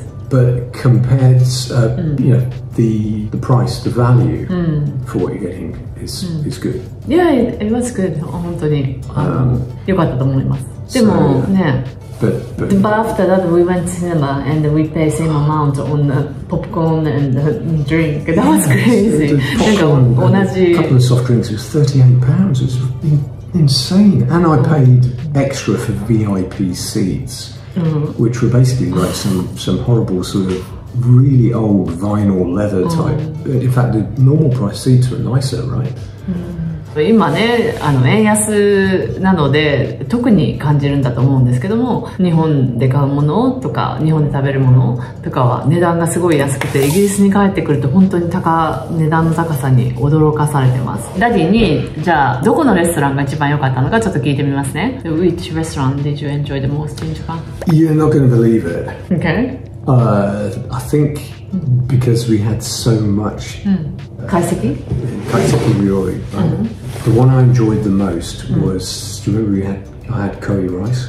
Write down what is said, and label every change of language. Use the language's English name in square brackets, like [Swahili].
[English] But compared, you know, the price, the value for what you're getting is good. Yeah, it was good. [Japanese] 本当に良かったと思います。でもね。 [English] But after that, we went to cinema and we paid same amount on the popcorn and the drink. That was crazy. Popcorn and a couple of soft drinks was £38. It was insane. And I paid extra for VIP seats, which were basically like some horrible sort of really old vinyl leather type. In fact, the normal price seats were nicer, right? [Japanese] 今ね、あの円安なので特に感じるんだと思うんですけども、日本で買うものとか日本で食べるものとかは値段がすごい安くて、イギリスに帰ってくると本当に値段の高さに驚かされてます。ダディにじゃあどこのレストランが一番良かったのかちょっと聞いてみますね。 [English] Which restaurant did you enjoy the most in Japan? You're not gonna believe it. Okay. I think because we had so much Kaiseki Ryori. The one I enjoyed the most was, do you remember I had curry rice?